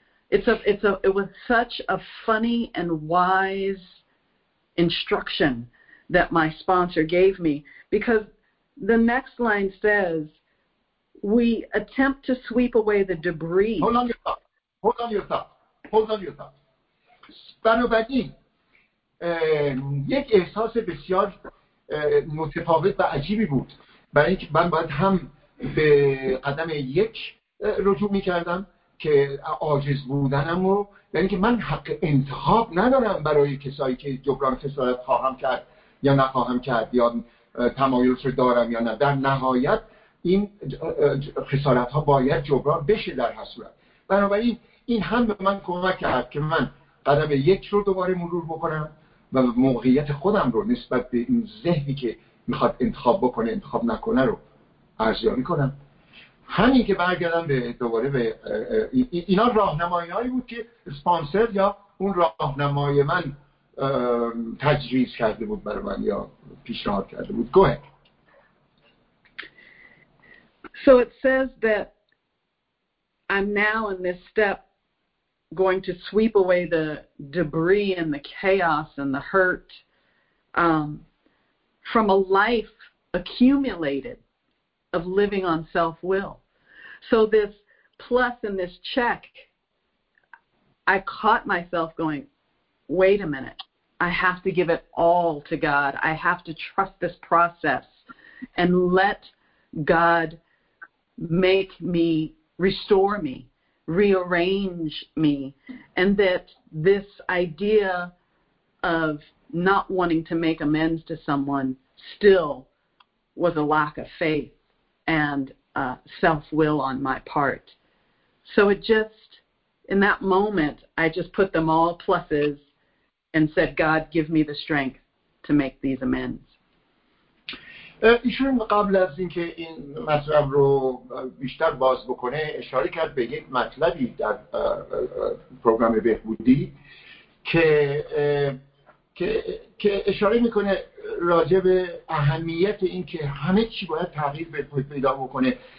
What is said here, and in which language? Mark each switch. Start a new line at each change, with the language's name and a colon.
English: It was such a funny and wise instruction that my sponsor gave me, because the next line says, we attempt to sweep away the debris. Hold on your thought.
Persian: بنابراین یک احساس بسیار متفاوت و عجیبی بود. برای اینکه من باید هم به قدم یک رجوع می‌کردم که عاجز بودنم رو، یعنی که من حق انتخاب ندارم برای کسایی که جبران خسارت خواهم کرد یا نخواهم کرد یا تمایلش رو دارم یا نه، در نهایت این خسارت ها باید جبران بشه در هر صورت. بنابراین این هم به من کمک کرد که من قدم یک رو دوباره مرور بکنم و موقعیت خودم رو نسبت به این ذهنی که میخواد انتخاب بکنه انتخاب نکنه رو ارزیابی کنم. همین که برگردم به دوباره به اینا راهنمایی‌هایی بود که اسپانسر یا اون راهنمای من تجویز کرده بود برای من یا پیشنهاد کرده بود.
English: Go ahead. So it says that I'm now in this step going to sweep away the debris and the chaos and the hurt from a life accumulated of living on self-will. So this plus and this check, I caught myself going, wait a minute, I have to give it all to God. I have to trust this process and let God make me, restore me, rearrange me. And that this idea of not wanting to make amends to someone still was a lack of faith and self-will on my part. So it just, in that moment, I just put them all pluses and said, God, give me the strength to make these amends.
Persian: ایشون قبل از اینکه این مطلب رو بیشتر باز بکنه اشاره کرد به یک مطلبی در پروگرام بهبودی که اشاره میکنه راجع به اهمیت این که همه چی باید تغییر پیدا بکنه.